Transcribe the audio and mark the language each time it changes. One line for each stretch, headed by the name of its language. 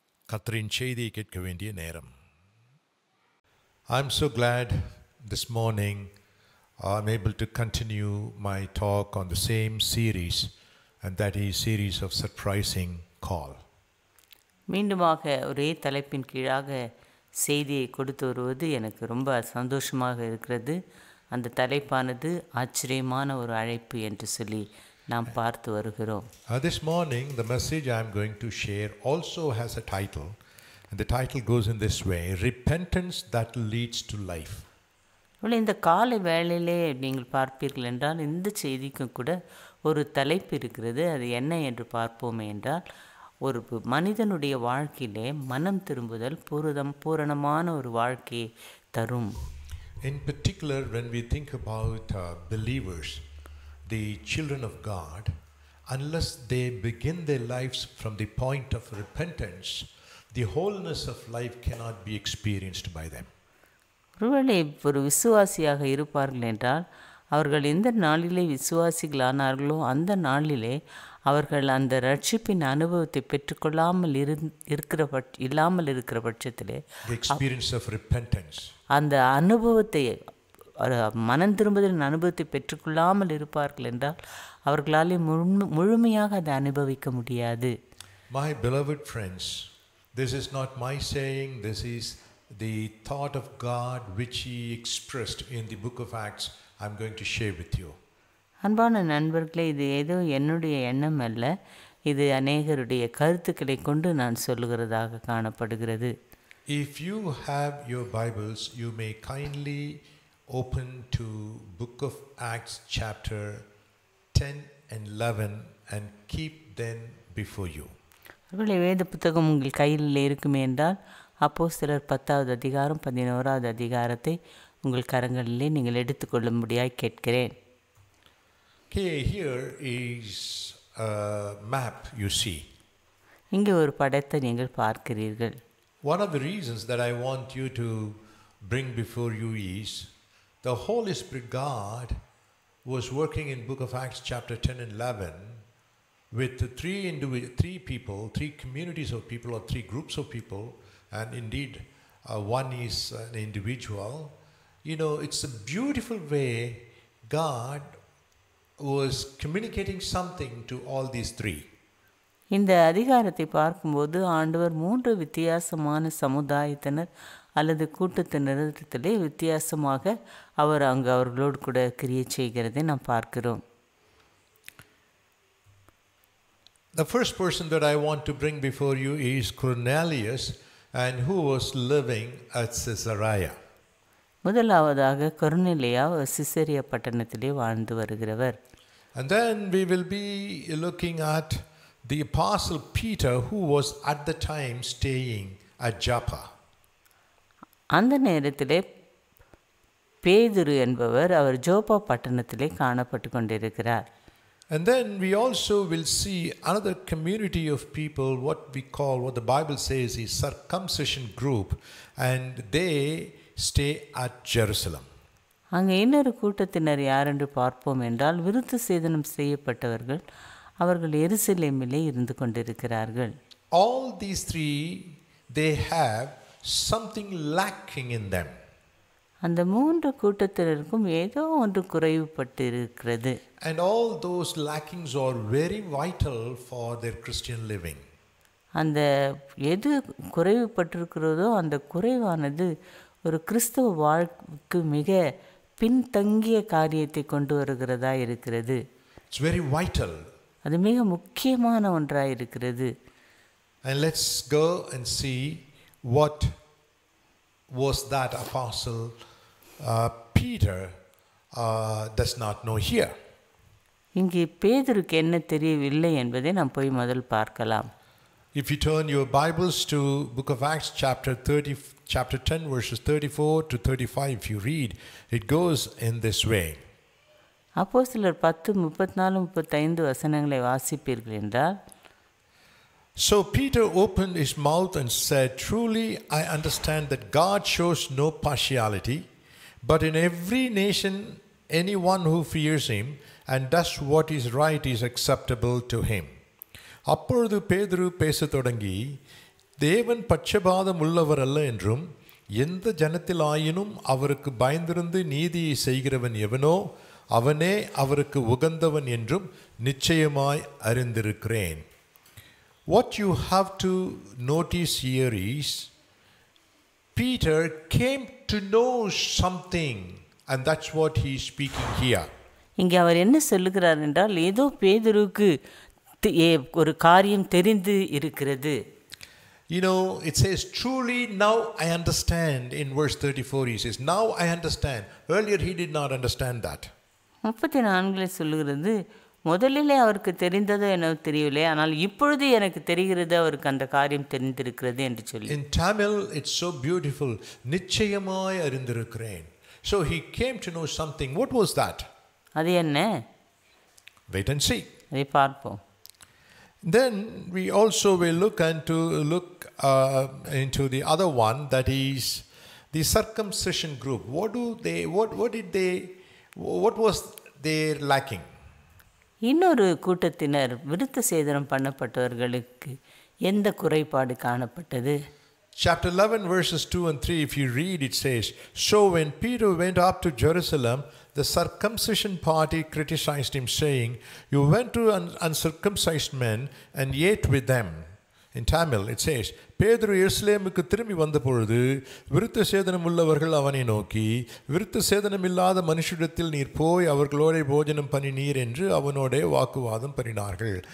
Tamil: கத்தரின் செய்தியை கேட்க வேண்டிய நேரம்.
English: I am so glad this morning I am able to continue my talk on the same series and that is series of surprising call.
Tamil: மீண்டுமாக ஒரே தலைப்பின் கீழாக செய்தியை கொடுத்து வருவது எனக்கு ரொம்ப சந்தோஷமாக இருக்கிறது. அந்த தலைப்பானது ஆச்சரியமான ஒரு அழைப்பு என்று சொல்லி நாம் பார்த்து வருகிறோம்.
English: This morning, the message I am going to share also has a title. And the title goes in this way, Repentance That Leads to Life.
Tamil: இந்த காலை வேளையிலே நீங்கள் பார்ப்பீர்கள் என்றால் இந்த செய்திக்கும் கூட ஒரு தலைப்பு இருக்கிறது. அது என்ன என்று பார்ப்போமே என்றால், ஒரு மனிதனுடைய வாழ்க்கையிலே மனம் திரும்புதல் பூரணமான ஒரு வாழ்க்கையை தரும்.
English: In particular, when we think about believers, the children of God, unless they begin their lives from the point of repentance, the wholeness of life cannot be experienced by them.
Tamil: ஒருவேளை ஒரு விசுவாசியாக இருப்பார்கள் என்றால் அவர்கள் எந்த நாளிலே விசுவாசிகளானார்களோ அந்த நாளிலே அவர்கள் அந்த இரட்சிப்பின் அனுபவத்தை பெற்றுக்கொள்ளாமல் இல்லாமல் இருக்கிற பட்சத்திலே
English: the experience of repentance
Tamil: அந்த அனுபவத்தை மனம் திரும்புதலின் அனுபவத்தை பெற்றுக்கொள்ளாமல் இருப்பார்கள் என்றால் அவர்களால் முழுமையாக அதை அனுபவிக்க முடியாது.
English: My beloved friends, this is not my saying, this is the thought of God which he expressed in the book of Acts I'm going to share with you.
Tamil: அன்பான நண்பர்களே, இது ஏதோ என்னுடைய எண்ணம் அல்ல, இது அநேகருடைய கருத்துக்களை கொண்டு நான் சொல்லுகிறதாக காணப்படுகிறது.
English: If you have your Bibles, you may kindly open to book of Acts chapter 10 and 11 and keep them before you.
Tamil: அவர்களே, வேத புத்தகம் உங்கள் கையில் இருக்குமே என்றால் அப்போஸ்தலர் 10வது அதிகாரம் 11வது அதிகாரத்தை உங்கள் கரங்களிலே நீங்கள் எடுத்துக்கொள்ளும்படியாய் கேட்கிறேன்.
English: Okay, here is a map you see.
Tamil: இங்கே ஒரு படத்தை நீங்கள் பார்க்கிறீர்கள்.
English: One of the reasons that I want you to bring before you is the Holy Spirit God was working in book of Acts chapter 10 and 11 with three communities of people and indeed one is an individual. You know, it's a beautiful way God was communicating something to all these three.
Tamil: இந்த அதிகாரத்தை பார்க்கும்போது ஆண்டவர் 3 வித்தியாசமான சமுதாயத்தினர் அல்லது கூட்டத்தினரிடத்திலே வித்தியாசமாக அவர் அங்கு அவர்களோடு கூட கிரியை செய்கிறதை நாம் பார்க்கிறோம்.
English: The first person that I want to bring before you is Cornelius. And who was living at Caesarea?
Tamil: முதலாவதாக கொர்னேலியா சிசேரியா பட்டணத்திலே வாழ்ந்து வருகிறவர்.
English: And then we will be looking at the apostle Peter, who was at the time staying at Joppa.
Tamil: அந்த நேரத்திலே பேதுரு என்பவர் அவர் ஜோப்பா பட்டணத்திலே காணப்பட்டு கொண்டிருக்கிறார்.
English: And then we also will see another community of people, what we call, what the Bible says is circumcision group, and they stay at Jerusalem.
Tamil: அங்க இன்னொரு கூட்டத்தினர் யார் என்று பார்ப்போம் என்றால் விருத்த சேதனம் செய்யப்பட்டவர்கள் அவர்கள் எருசலேமிலே இருந்து கொண்டிருக்கிறார்கள்.
English: All these three, they have something lacking in them.
Tamil: அந்த மூன்று கூட்டத்தினருக்கும் ஏதோ ஒன்று குறைவுபட்டிருக்கிறது.
English: And all those lackings are very vital for their Christian living.
Tamil: அந்த எது குறைவுபட்டிருக்கிறதோ அந்த குறைவானது ஒரு கிறிஸ்தவ வாழ்க்கைக்கு மிக பின்தங்கிய காரியத்தை கொண்டு வருகிறதா இருக்கிறது.
English: It's very vital.
Tamil: அது மிக முக்கியமான ஒன்றாக இருக்கிறது.
English: And let's go and see what was that apostle Peter does not know here.
Tamil: இங்கே பேதுருக்கு என்ன தெரியவில்லை என்பதை நாம் போய் முதல் பார்க்கலாம்.
English: If you turn your Bibles to book of Acts chapter 10 verses 34 to 35, if you read, it goes in this way.
Tamil: அப்போஸ்தலர் 10 34 35 வசனங்களை வாசிப்பீர்கள் என்றால்,
English: So Peter opened his mouth and said, Truly I understand that God shows no partiality, but in every nation anyone who fears him and does what is right is acceptable to him.
Tamil: அப்பொழுது பேதுரு பேச தொடங்கி, தேவன் பட்சபாதம் உள்ளவர் அல்ல என்றும் எந்த ஜனத்திலாயினும் அவருக்கு பயந்திருந்து நீதியை செய்கிறவன் எவனோ அவனே அவருக்கு உகந்தவன் என்றும் நிச்சயமாய் அறிந்திருக்கிறேன்.
English: What you have to notice here is Peter came to know something, and that's what he is speaking here.
Tamil: இங்க அவர் என்ன சொல்கிறார் என்றால் ஏதோ பேதுருக்கு ஒரு காரியம் தெரிந்து இருக்கிறது.
English: You know, it says truly now I understand in verse 34 he says now I understand. Earlier he did not understand that.
Tamil: 34ல சொல்கிறது முதலிலே அவருக்கு தெரிந்ததோ எனக்கு தெரியவில்லை ஆனால் இப்பொழுது எனக்கு தெரிகிறது அவருக்கு அந்த காரியம் தெரிந்திருக்கிறது என்று சொல்லி.
English: In Tamil it's so beautiful.
Tamil: நிச்சயமாய் அறிந்திருக்கிறேன்.
English: So he came to know something. What was that?
Tamil: அது என்ன?
English: Wait and see.
Tamil: அதை பார்ப்போம்.
English: Then we also will look into the other one, that is the circumcision group. What was their lacking?
Tamil: இன்னொரு கூட்டத்தினர் விருத்த சேதனம் பண்ணப்பட்டவர்களுக்கு எந்த குறைபாடு காணப்பட்டது?
English: Chapter 11 verses 2 and 3, if you read, it says, So when Peter went up to Jerusalem, the circumcision party criticized him, saying, You went to uncircumcised men and ate with them. In Tamil, it says,
Tamil: Pedro எருசலேமுக்கு திரும்பி வந்தபொழுது விருத்த சேதனம் உள்ளவர்கள் அவனை நோக்கி, விருத்த சேதனம் இல்லாத மனுஷரிடத்தில் நீர் போய் அவர்களோட போஜனம் பண்ணினீர் என்று அவனோட வாக்குவாதம் பண்ணினார்கள்.